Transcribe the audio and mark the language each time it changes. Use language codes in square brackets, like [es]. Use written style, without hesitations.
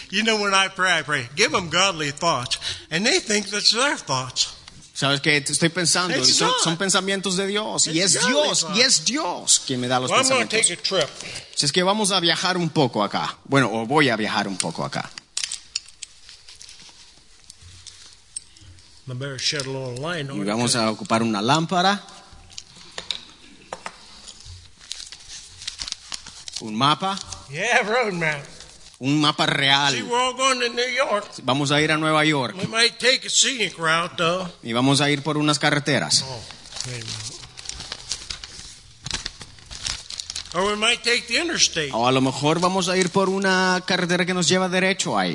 [en] You know when I pray, give them godly thoughts, and they think that's their thoughts. [es] ¿Sabes qué? Estoy pensando, son pensamientos de Dios. [en] It's [es] y es Dios, y es Dios quien me da los [en] well, [es] pensamientos. [en] I'm going to take a trip. [es] Si es que vamos a viajar un poco acá. Bueno, o voy a viajar un poco acá. [en] I better shed a little light on [es] y vamos a ocupar una lámpara. Un mapa. [en] Yeah, road map. [es] Un mapa real. [en] See, we're all going to New York. [es] Vamos a ir a Nueva York. [en] We might take a scenic route, though. [es] Y vamos a ir por unas carreteras. [en] Oh, wait a minute. Or we might take the interstate. [es] O a lo mejor vamos a ir por una carretera que nos lleva derecho ahí.